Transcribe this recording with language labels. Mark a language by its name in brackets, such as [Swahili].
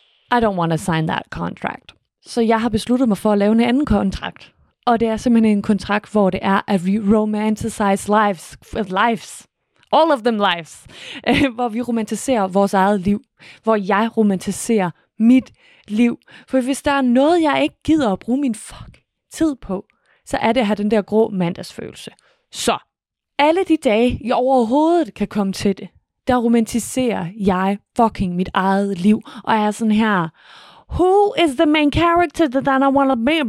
[English] I don't want to sign that contract. [Danish] Så jeg har besluttet mig for at lave en anden kontrakt. Og det er simpelthen en kontrakt, hvor det er, at vi [English] romanticize lives. All of them lives. [Danish] Hvor vi romantiserer vores eget liv. Hvor jeg romantiserer mit liv. For hvis der er noget, jeg ikke gider at bruge min fuck tid på, så er det at have den der grå mandagsfølelse. Så alle de dage, jeg overhovedet kan komme til det, der romantiserer jeg fucking mit eget liv. Og er sådan her, [English] who is the main character that I wanna be?